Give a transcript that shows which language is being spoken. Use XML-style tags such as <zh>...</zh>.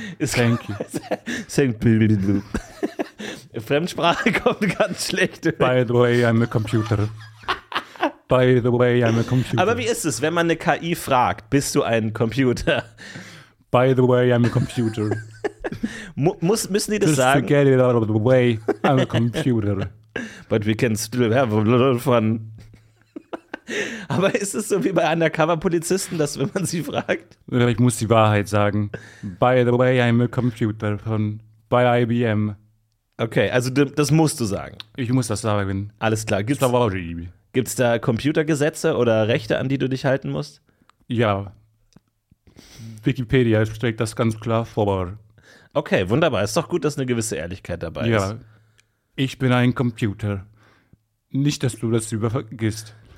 <de>Fremdsprache kommt ganz schlecht.</de> <en>By the way, I'm a computer. By the way, I'm a computer.</en> <de>Aber wie ist es, wenn man eine KI fragt, bist du ein Computer?</de> <en>By the way, I'm a computer.</en> <de>müssen die das</de> <en>Just</en> <de>sagen?</de> <en>Just to get it out of the way, I'm a computer. But we can still have a little fun.</en> <de>Aber ist es so wie bei Undercover-Polizisten, dass wenn man sie fragt? Ich muss die Wahrheit sagen.</de> <en>By the way, I'm a computer by IBM.</en> <de>Okay, also das musst du sagen. Ich muss das sagen. Alles klar. Gibt's da Computergesetze oder Rechte, an die du dich halten musst? Ja. Wikipedia stellt das ganz klar vor. Okay, wunderbar. Ist doch gut, dass eine gewisse Ehrlichkeit dabei ist. Ja. Ich bin ein Computer. Nicht, dass du das übervergisst.</de>